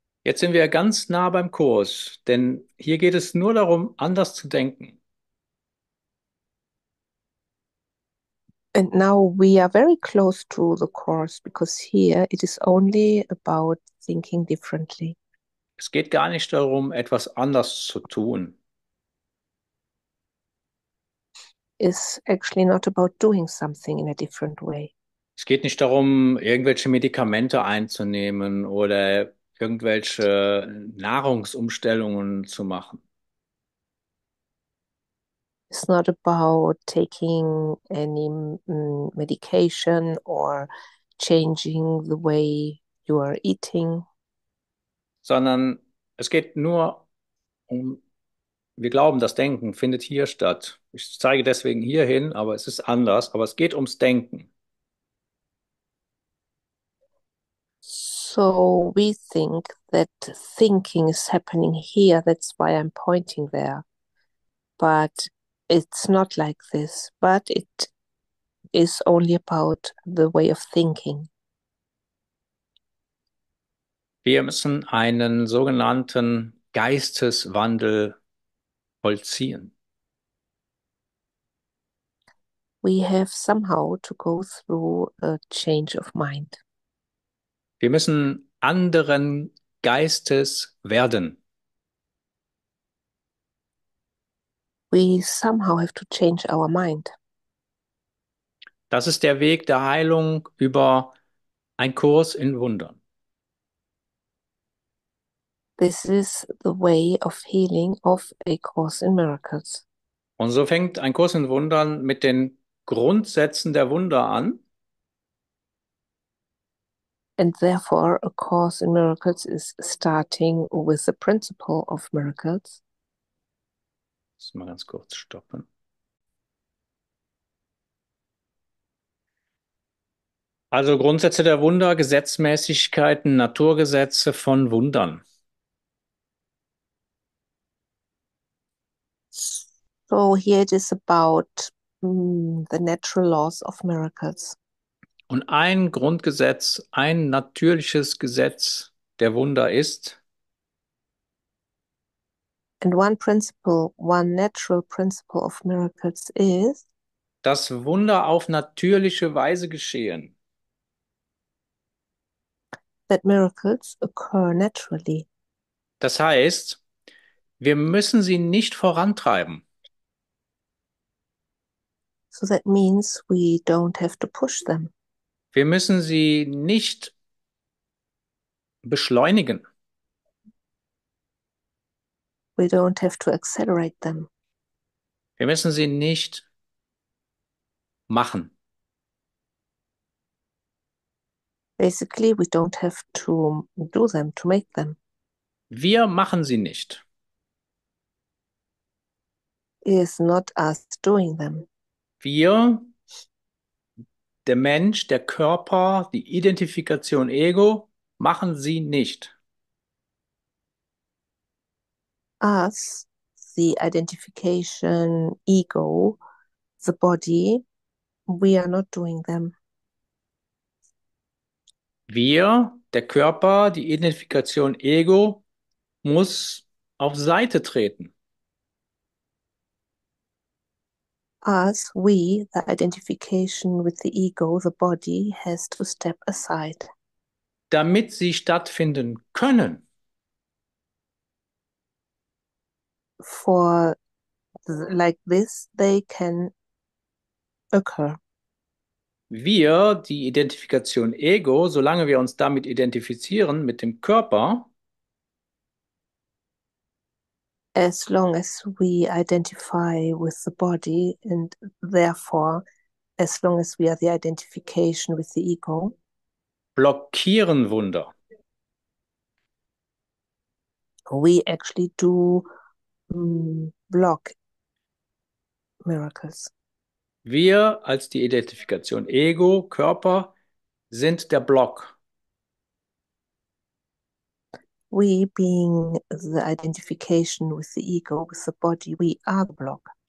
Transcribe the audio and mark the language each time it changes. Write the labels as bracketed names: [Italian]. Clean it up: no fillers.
[German] Jetzt sind wir ganz nah beim Kurs, denn hier geht es nur darum, anders zu denken. [English] And now we are very close to the course because here it is only about thinking differently. [German] Es geht gar nicht darum, etwas anders zu tun. [English] It's actually not about doing something in a different way. [German] Es geht nicht darum, irgendwelche Medikamente einzunehmen oder irgendwelche Nahrungsumstellungen zu machen. [English] It's not about taking any medication or changing the way you are eating. [German] Sondern es geht nur um, wir glauben, das Denken findet hier statt. Ich zeige deswegen hierhin, aber es ist anders, aber es geht ums Denken. [English] So we think that thinking is happening here, that's why I'm pointing there. But it's not like this, but it is only about the way of thinking. [German] Wir müssen einen sogenannten Geisteswandel vollziehen. [English] We have somehow to go through a change of mind. [German] Wir müssen anderen Geistes werden. [English] We somehow have to change our mind. [German] Das ist der Weg der Heilung über einen Kurs in Wundern. [English] This is the way of healing of a course in miracles. [German] Und so fängt ein Kurs in Wundern mit den Grundsätzen der Wunder an. [English] And therefore, a course in miracles is starting with the principle of miracles. [German] Muss mal ganz kurz stoppen. Also Grundsätze der Wunder, Gesetzmäßigkeiten, Naturgesetze von Wundern. [English] So here it is about the natural laws of miracles. [German] Und ein Grundgesetz, ein natürliches Gesetz der Wunder ist, [English] And one principle, one natural principle of miracles is [German] dass Wunder auf natürliche Weise geschehen. [English] that miracles occur naturally. [German] Das heißt, wir müssen sie nicht vorantreiben. [English] So that means we don't have to push them. [German] Wir müssen sie nicht beschleunigen. [English] We don't have to accelerate them. [German] Wir müssen sie nicht machen. [English] Basically, we don't have to do them, to make them. [German] Wir machen sie nicht. [English] It is not us doing them. [German] Wir. Der Mensch, der Körper, die Identifikation Ego, machen sie nicht. [English] Us, the identification ego, the body, we are not doing them. [German] Wir Der Körper, die Identifikation Ego, muss auf Seite treten. [English] As we, the identification with the ego, the body, has to step aside. [German] Damit sie stattfinden können. [English] For like this, they can occur. [German] Wir, die Identifikation Ego, solange wir uns damit identifizieren, mit dem Körper, [English] As long as we identify with the body and therefore as long as we are the identification with the ego, [German] blockieren Wunder. [English] we actually do block miracles. [German] Wir als die Identifikation Ego, Körper, sind der Block. [English] We being the identification with the ego, with the body, we are the block.